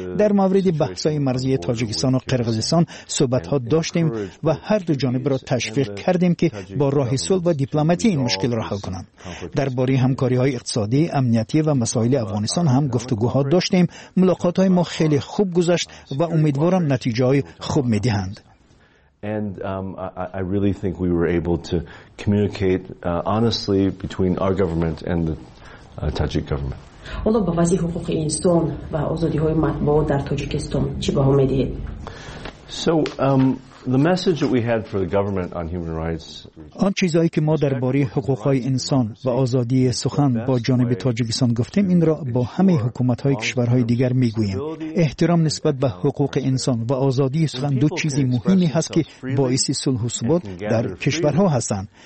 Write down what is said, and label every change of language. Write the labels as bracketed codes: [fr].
[fa] در مورد بحث‌های مرزی تاجیکستان و قرغیزستان صحبت ها داشتیم و هر دو جانب را تشویق کردیم که با راه صلح و دیپلماتی این مشکل را حل کنند. درباره همکاری های اقتصادی، امنیتی و مسائل افغانستان هم گفتگوها داشتیم. ملاقات های ما خیلی خوب گذشت و امیدوارم نتیجه های خوب می دهند. [en] And I really think we were able to communicate honestly between our government and the Tajik government. [fa] حالا به وضع حقوق انسان و آزادی های مطبوعات در تاجیکستان چی به امید دهید؟ [en] The message that we had for the government on human rights. [fa] آن چیزایی که ما درباره حقوق انسان و آزادی سخن با جانب تاجیکستان گفتیم، این را با همه حکومت‌های کشورهای دیگر می‌گوییم. احترام نسبت به حقوق انسان و آزادی سخن دو چیزی مهمی هست که باعث صلح و ثبات در کشورها هستند.